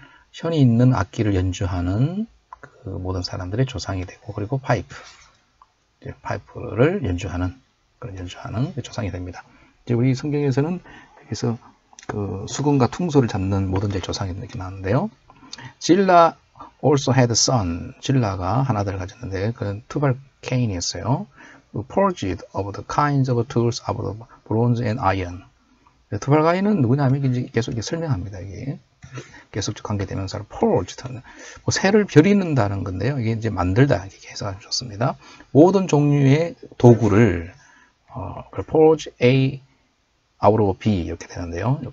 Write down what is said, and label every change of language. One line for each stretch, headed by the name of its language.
Korean: 현이 있는 악기를 연주하는 그 모든 사람들의 조상이 되고, 그리고 파이프를 연주하는, 그런 연주하는 조상이 됩니다. 이제 우리 성경에서는 여기서 그 수금과 퉁소를 잡는 모든 제 조상이 이렇게 나왔는데요.
English: 질라 also had a son.
Korean: 질라가 한 아들을 가졌는데, 그건 투발케인이었어요.
English: Forged of the kinds of tools out of bronze and iron.
Korean: 투발가인은 누구냐면 계속 설명합니다. 이게. 계속 관계대명사로 forged 뭐 쇠를 벼리는다는 건데요. 이게 이제 만들다 이렇게 해석하면 좋습니다. 모든 종류의 도구를
English: forge a out of b
Korean: 이렇게 되는데요.